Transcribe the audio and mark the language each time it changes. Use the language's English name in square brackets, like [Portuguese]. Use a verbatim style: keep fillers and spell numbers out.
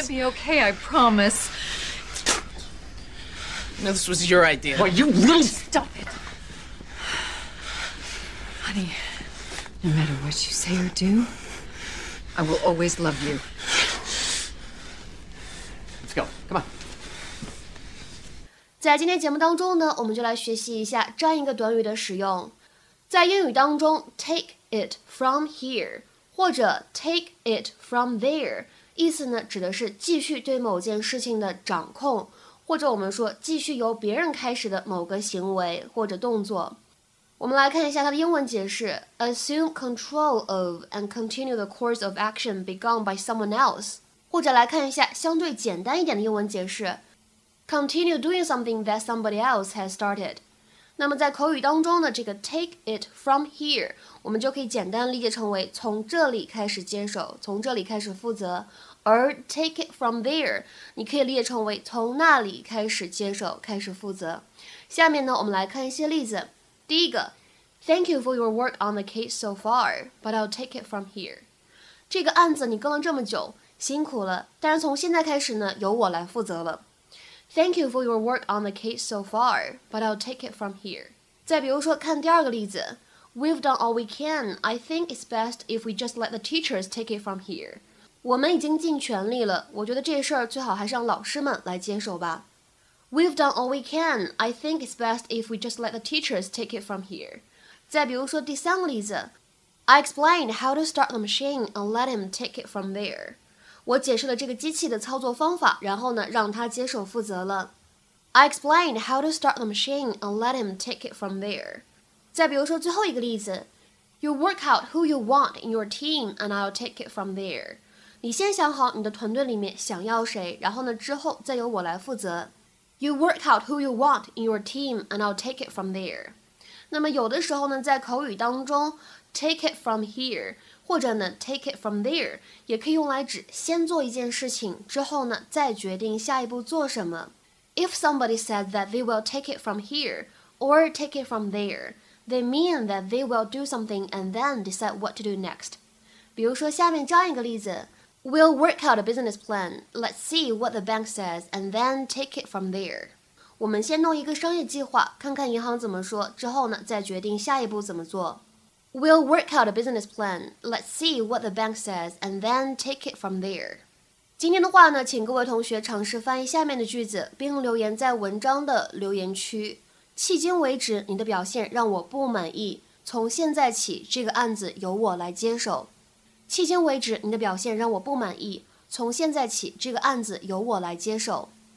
[English] It's going to be okay, I promise. No, this was your idea. Why, you little... Stop it. Honey, no matter what you say or do, I will always love you. Let's go. Come on. [Chinese] 在今天节目当中呢，我们就来学习一下这样一个短语的使用。在英语当中 take it from here 或者 take it from there 意思呢指的是继续对某件事情的掌控，或者我们说继续由别人开始的某个行为或者动作。我们来看一下它的英文解释 [English] assume control of and continue the course of action begun by someone else， [Chinese] 或者来看一下相对简单一点的英文解释 [English] Continue doing something that somebody else has started. [Chinese] 那么在口语当中呢，这个 take it from here 我们就可以简单理解成为从这里开始接手，从这里开始负责，而 take it from there 你可以理解成为从那里开始接手，开始负责。下面呢，我们来看一些例子。第一个 [English] Thank you for your work on the case so far, but I'll take it from here. [Chinese] 这个案子你跟了这么久，辛苦了，但是从现在开始呢，由我来负责了。 Thank you for your work on the case so far, but I'll take it from here. 再比如说，看第二个例子 ， [English] We've done all we can. I think it's best if we just let the teachers take it from here. [Chinese] 我们已经尽全力了，我觉得这事儿最好还是让老师们来接手吧。 [English] We've done all we can. I think it's best if we just let the teachers take it from here. [Chinese] 再比如说，第三个例子 [English] ，I explained how to start the machine and let him take it from there. [Chinese] 我解释了这个机器的操作方法，然后呢，让他接手负责了。 [English] I explained how to start the machine and let him take it from there. [Chinese] 再比如说最后一个例子 [English] ，You work out who you want in your team and I'll take it from there. [Chinese] 你先想好你的团队里面想要谁，然后呢，之后再由我来负责。 [English] You work out who you want in your team and I'll take it from there. [Chinese] 那么有的时候呢，在口语当中 ，take it from here。或者呢 take it from there 也可以用来指先做一件事情，之后呢再决定下一步做什么。 [English] If somebody said that they will take it from here or take it from there, they mean that they will do something and then decide what to do next. [Chinese] 比如说下面这样一个例子 [English] We'll work out a business plan. Let's see what the bank says and then take it from there. [Chinese] 我们先弄一个商业计划，看看银行怎么说，之后呢再决定下一步怎么做。 [English] We'll work out a business plan. Let's see what the bank says and then take it from there. [Chinese] 今天的话呢，请各位同学尝试翻译下面的句子，并留言在文章的留言区。迄今为止，你的表现让我不满意。从现在起，这个案子由我来接手。迄今为止，你的表现让我不满意。从现在起，这个案子由我来接手。